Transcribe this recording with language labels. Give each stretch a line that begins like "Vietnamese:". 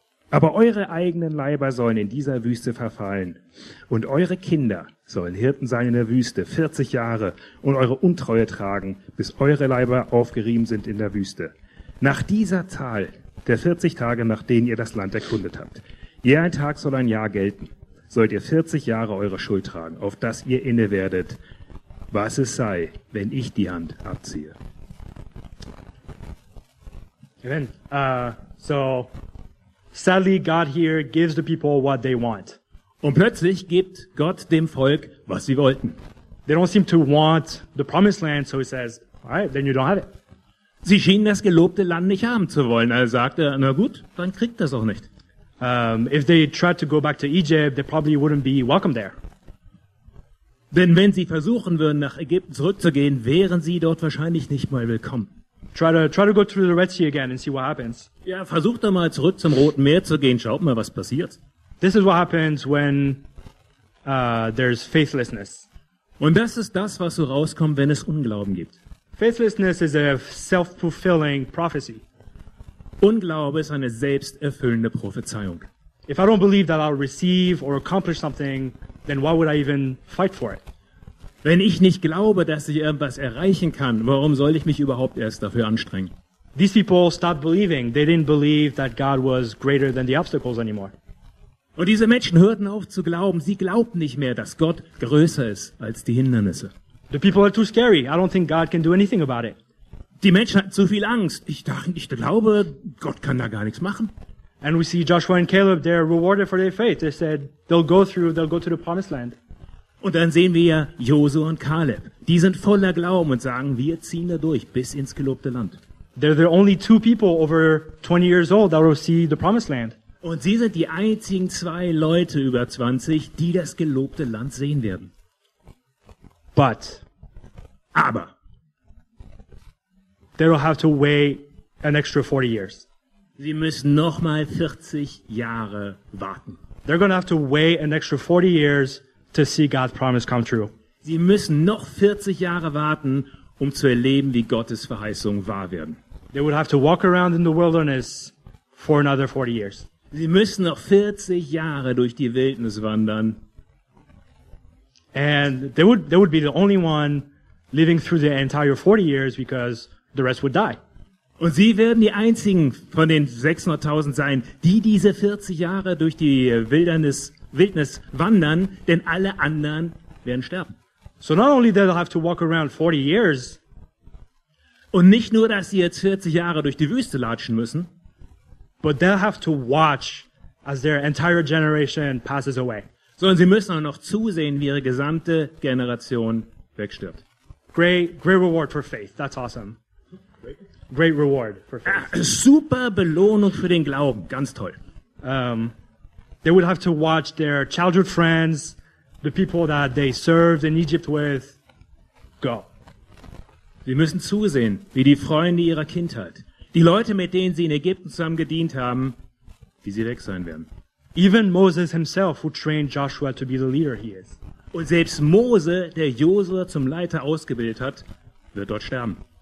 German: Aber eure eigenen Leiber sollen in dieser Wüste verfallen, und eure Kinder sollen Hirten sein in der Wüste 40 Jahre und eure Untreue tragen, bis eure Leiber aufgerieben sind in der Wüste. Nach dieser Zahl der 40 Tage, nach denen ihr das Land erkundet habt, je ein Tag soll ein Jahr gelten, sollt ihr 40 Jahre eure Schuld tragen, auf das ihr inne werdet, was es sei, wenn ich die Hand abziehe. Amen.
English: So, sadly, God here gives the people what they want.
German: Und plötzlich gibt Gott dem Volk, was sie wollten.
English: They don't seem to want the promised land, so he says, all right, then you don't have it.
German: Sie schienen das gelobte Land nicht haben zu wollen, also sagt er, na gut, dann kriegt das auch nicht.
English: If they tried to go back to Egypt, they probably wouldn't be welcome there.
German: Denn wenn sie versuchen würden, nach Ägypten zurückzugehen, wären sie dort wahrscheinlich nicht mal willkommen.
English: Try to go through the Red Sea again and see what happens.
German: Ja, versuch doch mal zurück zum Roten Meer zu gehen, schaut mal, was passiert.
English: This is what happens when there's faithlessness.
German: Und das ist das, was so rauskommt, wenn es Unglauben gibt.
English: Faithlessness is a self-fulfilling prophecy.
German: Unglaube ist eine selbsterfüllende Prophezeiung.
English: If I don't believe that I'll receive or accomplish something, then why would I even fight for it?
German: Wenn ich nicht glaube, dass ich irgendwas erreichen kann, warum soll ich mich überhaupt erst dafür anstrengen?
English: These people stopped believing. They didn't believe that God was greater than the obstacles anymore.
German: Und diese Menschen hörten auf zu glauben. Sie glaubten nicht mehr, dass Gott größer ist als die Hindernisse.
English: The people are too scary. I don't think God can do anything about it.
German: Die Menschen hatten zu viel Angst. Ich glaube, Gott kann da gar nichts machen.
English: And we see Joshua and Caleb, they're rewarded for their faith. They said, they'll go to the promised land.
German: Und dann sehen wir Joshua und Caleb. Die sind voller Glauben und sagen, wir ziehen da durch bis ins gelobte Land.
English: They're the only two people over 20 years old that will see the promised land.
German: Und sie sind die einzigen 2 Leute über 20, die das gelobte Land sehen werden.
English: But.
German: Aber.
English: They will have to wait an extra 40 years.
German: Sie müssen nochmal 40 Jahre warten.
English: They're gonna have to wait an extra 40 years to see God's promise come true.
German: Sie müssen noch 40 Jahre warten, um zu erleben, wie Gottes Verheißungen wahr werden.
English: They would have to walk around in the wilderness for another 40 years.
German: Sie müssen noch 40 Jahre durch die Wildnis wandern.
English: And they would be the only one living through the entire 40 years because the rest would die.
German: Und sie werden die einzigen von den 600.000 sein, die diese 40 Jahre durch die Wildnis wandern, denn alle anderen werden sterben.
English: So not only they'll have to walk around 40 years,
German: Und nicht nur, dass sie jetzt 40 Jahre durch die Wüste latschen müssen,
English: but they'll have to watch as their entire generation passes away.
German: Sondern sie müssen auch noch zusehen, wie ihre gesamte Generation wegstirbt.
English: Great, great reward for faith. That's awesome. Great reward for faith.
German: Super Belohnung für den Glauben. Ganz toll.
English: They would have to watch their childhood friends, the people that they served in Egypt with, go.
German: Sie müssen zusehen, wie die Freunde ihrer Kindheit, die Leute, mit denen sie in Ägypten zusammen gedient haben, wie sie weg sein werden.
English: Even Moses himself, who trained Joshua to be the leader he is.
German: Und selbst Mose, der Josua zum Leiter ausgebildet hat, wird dort sterben.